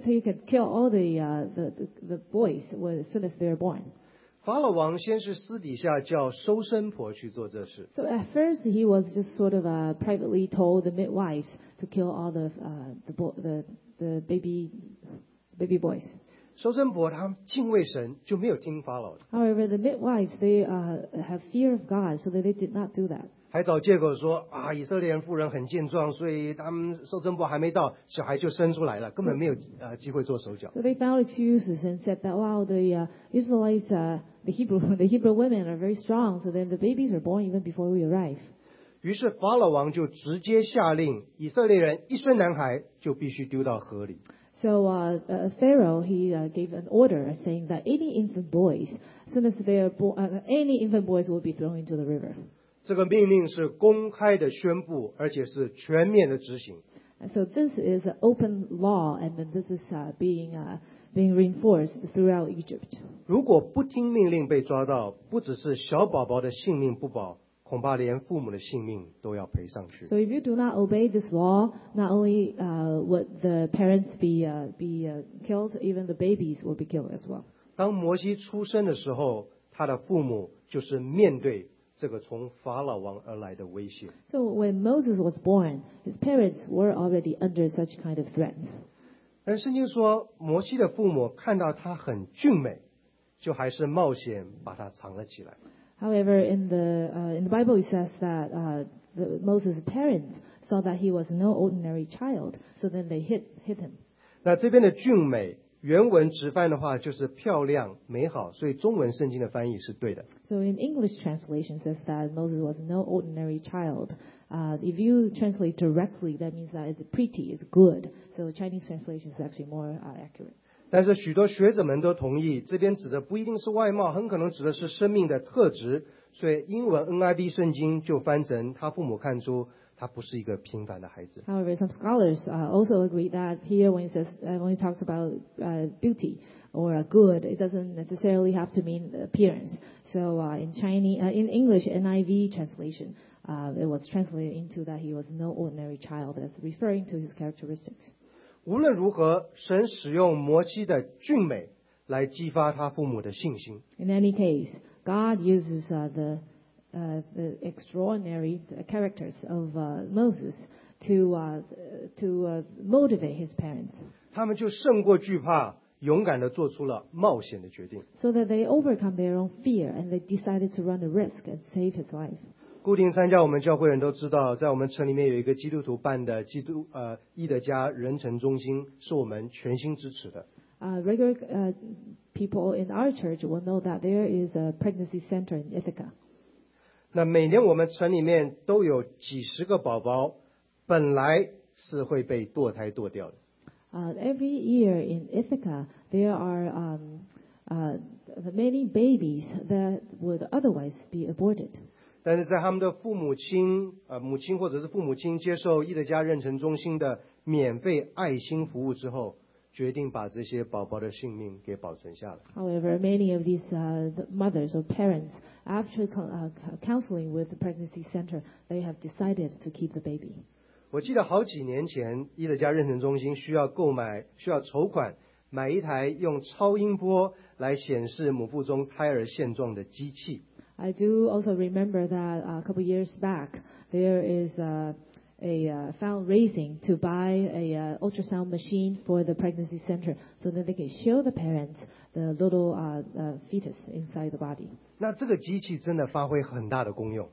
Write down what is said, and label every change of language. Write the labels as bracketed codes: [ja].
[en] So you can kill all the boys as soon as they're born. [zh] 法老王先是私底下叫收生婆去做这事。 [en] So at first he was just sort of privately told the midwives to kill all the baby boys. [zh] 收生婆他敬畏神就没有听法老的。 [en] However, the midwives they have fear of God, so that they did not do that. [zh] 还找借口说啊，以色列人妇人很健壮，所以他们受生婆还没到，小孩就生出来了，根本没有机会做手脚。 [en] So they found excuses and said that wow, the Israelites, the Hebrew women are very strong, so then the babies are born even before we arrive. [zh] 于是法老王就直接下令，以色列人一生男孩就必须丢到河里。 [en] So Pharaoh he gave an order saying that any infant boys, as soon as they are born, any infant boys will be thrown into the river. [zh] 这个命令是公开的宣布，而且是全面的执行。 [en] So this is an open law, and then this is being reinforced throughout Egypt. [zh] 如果不听命令被抓到，不只是小宝宝的性命不保，恐怕连父母的性命都要赔上去。 [en] So if you do not obey this law, not only would the parents be killed, even the babies will be killed as well. [zh] 当摩西出生的时候，他的父母就是面对。这个从法老王而来的威胁。 [en] So when Moses was born, his parents were already under such kind of threats. [zh] 但圣经说，摩西的父母看到他很俊美，就还是冒险把他藏了起来。 [en] However, in the Bible, it says that Moses' parents saw that he was no ordinary child, so then they hid him. [zh] 那这边的俊美。原文直翻的话就是漂亮美好，所以中文圣经的翻译是对的。 [en] So in English translation says that Moses was no ordinary child. If you translate directly, that means that it's pretty, it's good. So Chinese translation is actually more accurate. [zh] 但是许多学者们都同意，这边指的不一定是外貌，很可能指的是生命的特质。所以英文 NIV 圣经就翻成他父母看出。他不是一个平凡的孩子。 [en] However, some scholars also agree that here when it says when it talks about beauty or good, it doesn't necessarily have to mean appearance. So in English NIV translation, it was translated into that he was no ordinary child, as referring to his characteristics. [zh] 无论如何，神使用摩西的俊美来激发他父母的信心。 [en] In any case, God uses the extraordinary characters of Moses to motivate his parents. [zh] 他们就胜过惧怕，勇敢地做出了冒险的决定。 [en] So that they overcome their own fear and they decided to run a risk and save his life. [zh] 固定参加我们教会人都知道，在我们城里面有一个基督徒办的基督义德家人城中心，是我们全心支持的。 [en] Regular people in our church will know that there is a pregnancy center in Ithaca. [zh] 那每年我们城里面都有几十个宝宝本来是会被堕胎堕掉的。 [en] Every year in Ithaca, there are many babies that would otherwise be aborted. [zh] 但是在他们的父母亲母亲或者是父母亲接受义德家妊娠中心的免费爱心服务之后，决定把这些宝宝的性命给保存下来。 [en] However, many of these mothers or parents, after counseling with the pregnancy center, they have decided to keep the baby. [zh] 我记得好几年前，义德家妊娠中心需要筹款买一台用超音波来显示母腹中胎儿现状的机器。 [en] I do also remember that a couple years back, there is a fundraising to buy an ultrasound machine for the pregnancy center so that they can show the parents the little fetus inside the body. [zh] 那这个机器真的发挥很大的功用。